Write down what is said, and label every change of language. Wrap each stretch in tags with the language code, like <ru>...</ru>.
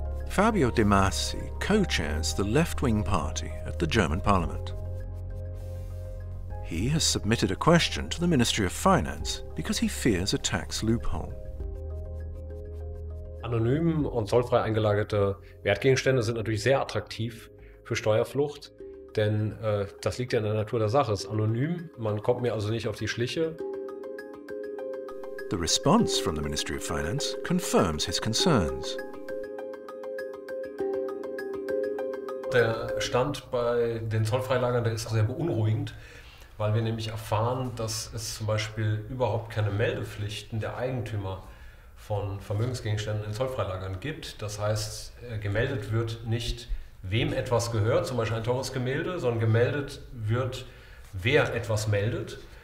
<en>Fabio De Masi co-chairs the left-wing party at the German parliament. He has submitted a question to the Ministry of Finance because he fears a tax loophole.</en> <de>Anonym und zollfrei eingelagerte Wertgegenstände sind natürlich sehr attraktiv für Steuerflucht, denn das liegt ja in der Natur der Sache. Es ist anonym, man kommt mir also nicht auf die Schliche.</de> <en>The response from the Ministry of Finance confirms his concerns.</en> <de>Der Stand bei den Zollfreilagern, der ist sehr beunruhigend, weil wir nämlich erfahren, dass es zum Beispiel überhaupt keine Meldepflichten der Eigentümer von Vermögensgegenständen in Zollfreilagern gibt. Das heißt, gemeldet wird nicht, wem etwas gehört, zum Beispiel ein teures Gemälde, sondern gemeldet wird, wer etwas meldet.</de>